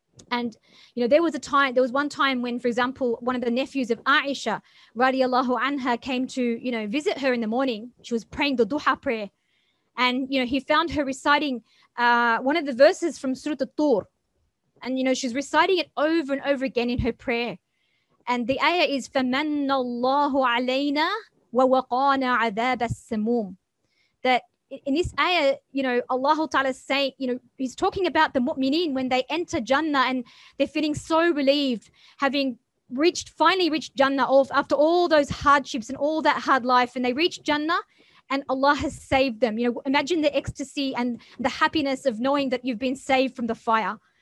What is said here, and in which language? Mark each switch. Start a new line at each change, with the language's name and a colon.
English: And, you know, there was one time when, for example, one of the nephews of Aisha, radiallahu anha, came to, you know, visit her in the morning. She was praying the duha prayer. And, you know, he found her reciting one of the verses from Surah At-Tur. And, you know, she's reciting it over and over again in her prayer. And the ayah is,
Arabic: فَمَنَّ اللَّهُ عَلَيْنَا وَوَقَانَا عَذَابَ السَّمُومِ.
English: That in this ayah, you know, Allah Ta'ala is saying, you know, he's talking about the mu'mineen when they enter Jannah and they're feeling so relieved, having finally reached Jannah after all those hardships and all that hard life, and they reach Jannah and Allah has saved them. You know, imagine the ecstasy and the happiness of knowing that you've been saved from the fire.